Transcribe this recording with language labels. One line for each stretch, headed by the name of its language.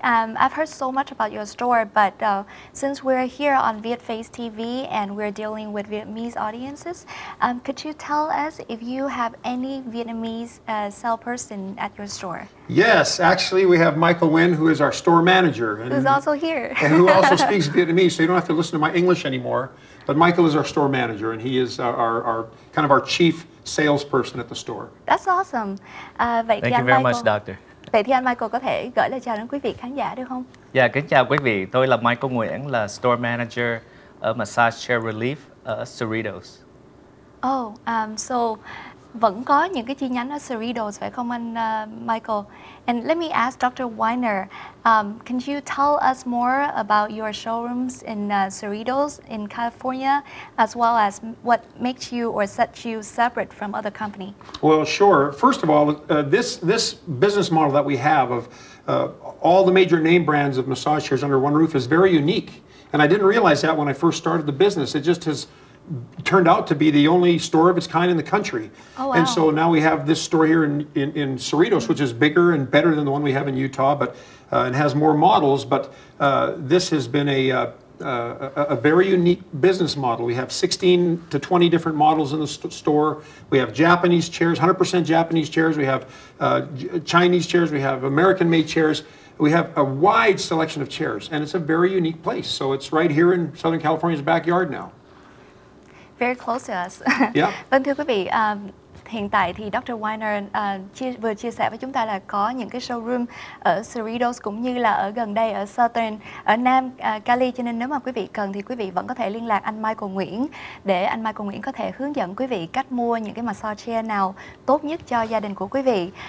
English: I've heard so much about your store, but since we're here on Vietface TV and we're dealing with Vietnamese audiences, could you tell us if you have any Vietnamese salesperson at your store? Yes, actually, we have Michael Nguyen, who is our store manager. And, who's also here. And who also speaks Vietnamese, so you don't have to listen to my English anymore. But Michael is our store manager, and he is our kind of our chief salesperson at the store. That's awesome. Vậy thank you very much, doctor.
Vietnamese: Vậy thì anh Michael có thể gửi lời chào đến quý vị khán giả được không? Dạ, yeah, kính chào quý vị. Tôi là Michael Nguyễn, là Store Manager ở Massage Chair Relief ở Cerritos.
English: Oh, so
Vietnamese: vẫn có những cái chi nhánh ở Cerritos phải không anh Michael?
English: And let me ask Dr. Weiner, can you tell us more about your showrooms in Cerritos in California, as well as what makes you or sets you separate from other company? Well, sure. First of all, this business model that we have of all the major name brands of massage chairs under one roof is very unique. And I didn't realize that when I first started the business. It just has turned out to be the only store of its kind in the country. Oh, wow. And so now we have this store here in Cerritos, mm-hmm. which is bigger and better than the one we have in Utah, but and has more models. But this has been a very unique business model. We have 16 to 20 different models in the store. We have Japanese chairs, 100% Japanese chairs. We have Chinese chairs. We have American-made chairs. We have a wide selection of chairs, and it's a very unique place. So it's right here in Southern California's backyard now. Very close to us. Yeah.
Vietnamese: Vâng, thưa quý vị, hiện tại thì Dr. Weiner vừa chia sẻ với chúng ta là có những cái showroom ở Cerritos cũng như là ở gần đây ở Southern, ở Nam Cali. Cho nên nếu mà quý vị cần thì quý vị vẫn có thể liên lạc anh Michael Nguyễn để anh Michael Nguyễn có thể hướng dẫn quý vị cách mua những cái massage chair nào tốt nhất cho gia đình của quý vị.